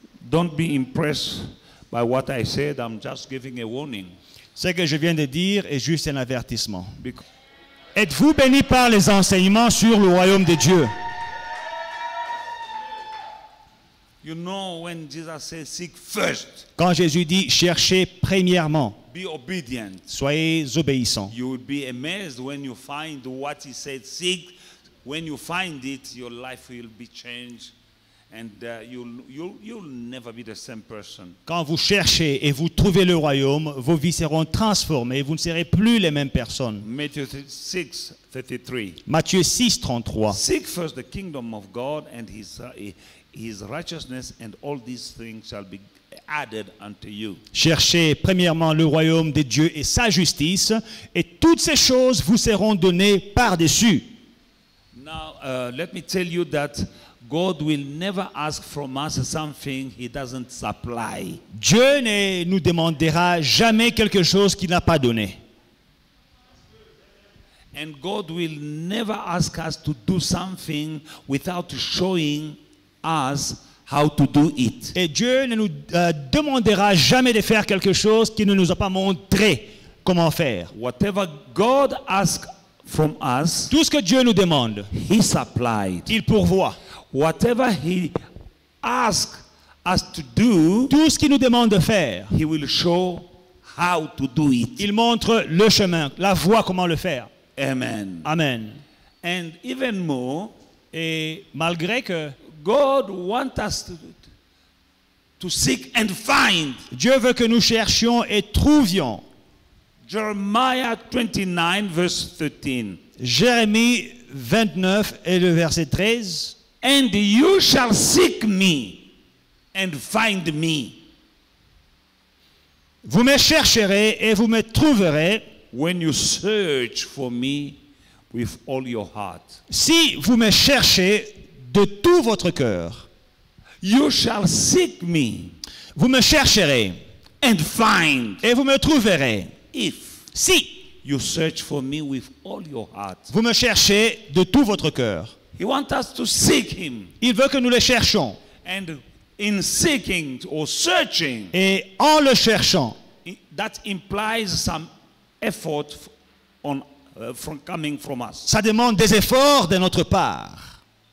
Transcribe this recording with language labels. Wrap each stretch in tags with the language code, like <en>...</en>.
<en>Don't be impressed by what I said. I'm just giving a warning.</en> <fr>Ce que je viens de dire est juste un avertissement. Êtes-vous béni par les enseignements sur le royaume de Dieu?</fr> <en>You know, when Jesus says, seek first,</en> <fr>quand Jésus dit cherchez premièrement,</fr> <en>be obedient,</en> <fr>soyez obéissants.</fr> <en>You will be amazed when you find what he said, seek. When you find it, your life will be changed. And you'll never be the same person.</en> <fr>Quand vous cherchez et vous trouvez le royaume, vos vies seront transformées, vous ne serez plus les mêmes personnes. Matthieu 6:33.</fr> <en>Seek first the kingdom of God and his righteousness, and all these things shall be added unto you.</en> <fr>Cherchez premièrement le royaume de Dieu et sa justice, et toutes ces choses vous seront données par-dessus.</fr> <en>Now, let me tell you that God will never ask from us something he doesn't supply.</en> <fr>Dieu ne nous demandera jamais quelque chose qu'il n'a pas donné.</fr> <en>And God will never ask us to do something without showing us how to do it.</en> <fr>Et Dieu ne nous demandera jamais de faire quelque chose qu'il ne nous a pas montré comment faire.</fr> <en>Whatever God asks from us,</en> <fr>tout ce que Dieu nous demande,</fr> <en>he supplied.</en> <fr>Il pourvoit.</fr> <en>Whatever he asks us to do,</en> <fr>tout ce qu'il nous demande de faire,</fr> <en>he will show how to do it.</en> <fr>Il montre le chemin, la voie, comment le faire.</fr> <en>Amen. Amen. And even more,</en> <fr>et malgré que</fr> <en>God wants us to seek and find,</en> <fr>Dieu veut que nous cherchions et trouvions.</fr> <en>Jeremiah 29, verse 13.</en> <fr>Jérémie 29 et le verset 13.</fr> <en>And you shall seek me and find me.</en> <fr>Vous me chercherez et vous me trouverez.</fr> <en>When you search for me with all your heart.</en> <fr>Si vous me cherchez de tout votre cœur.</fr> <en>You shall seek me.</en> <fr>Vous me chercherez.</fr> <en>And find.</en> <fr>Et vous me trouverez.</fr> <en>If.</en> <fr>Si</fr> <en>you search for me with all your heart.</en> <fr>Vous me cherchez de tout votre cœur.</fr> <en>He wants us to seek him.</en> <fr>Il veut que nous le cherchions.</fr> <en>And in seeking or searching.</en> <fr>Et en le cherchant.</fr> <en>That implies some effort on from coming from us.</en> <fr>Ça demande des efforts de notre part.</fr>